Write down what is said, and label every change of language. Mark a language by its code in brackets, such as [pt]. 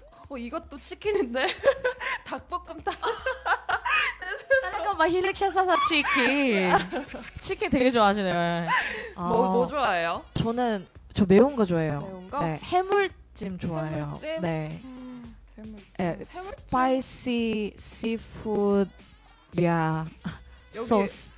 [ko] 이것도 치킨인데? 닭볶음탕. 그러니까 [tl] mahilig siya sa chicken. [ko] Chicken 되게 좋아하시네요. 뭐 뭐 좋아해요? 저는 저 매운 거 좋아해요. 매운 거? 네, 해물찜 좋아해요. 해물찜? 네. 해물찜. 네, [en] 스파이시 씨푸드 [ko] 야 소스.